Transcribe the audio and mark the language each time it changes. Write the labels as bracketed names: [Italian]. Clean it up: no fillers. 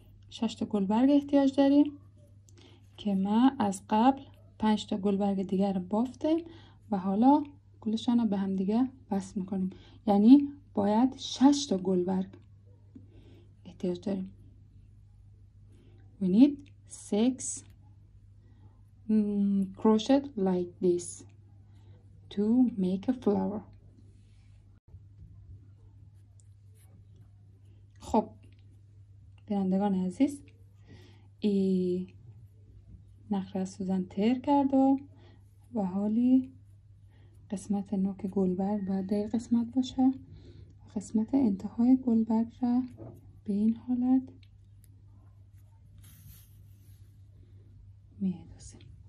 [Persian] 6 تا گل برگ احتیاج داریم که ما از قبل 5 تا گلبرگ دیگر رو بافتیم و حالا گلشان رو به هم دیگه بست میکنیم. یعنی باید 6 تا گلبرگ احتیاج داریم. [English] We need 6 crochet like this to make a flower. [Persian] خب بینندگان عزیز، ای نخ را سوزن تر کرد و حالی قسمت نوک گلبرگ باید در قسمت باشه. قسمت انتهای گلبرگ را به این حالت میدوزیم.